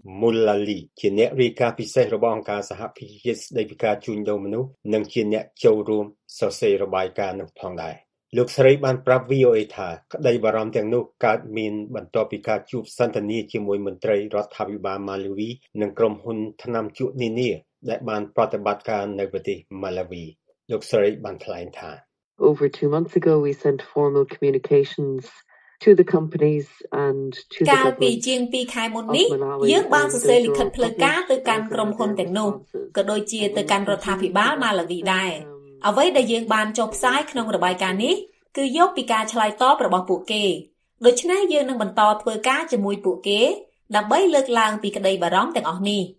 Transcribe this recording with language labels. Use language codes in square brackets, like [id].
[km] មូលាលីជាអ្នករាយការណ៍ពិសេសរបស់អង្គការសហភាពជាតិស្តីពីការជួញដូរមនុស្សនិងជាអ្នកចូលរួមសរសេររបាយការណ៍នោះផងដែរលោកស្រីបានប្រាប់ VOA ថាក្តីបារម្ភទាំងនោះកើតមានបន្ទាប់ពីការជួបសន្ទនាជាមួយមន្ត្រីរដ្ឋាភិបាលម៉ាឡាវីនិងក្រុមហ៊ុនថ្នាំជក់នានាដែលបានប្រតិបត្តិការនៅប្រទេសម៉ាឡាវីលោកស្រីបានថ្លែងថា [en] Over 2 months ago we sent formal communicationsto the companies and to the [km] កាលពីជាង2ខែមុននេះយើងបានសរសេរលិខិតផ្លូវការទៅកាន់ក្រុមហ៊ុនទាំងនោះក៏ដូចជាទៅកាន់រដ្ឋាភិបាលម៉ាឡាវីដែរអ្វីដែលយើងបានចុះផ្សាយក្នុងរបាយការណ៍នេះគឺយកពីការឆ្លើយតបរបស់ពួកគេដូច្នេះយើងនឹងបន្តធ្វើការជាមួយពួកគេដើម្បីលើកឡើងពីក្តីបារម្ភទាំងអស់នេះ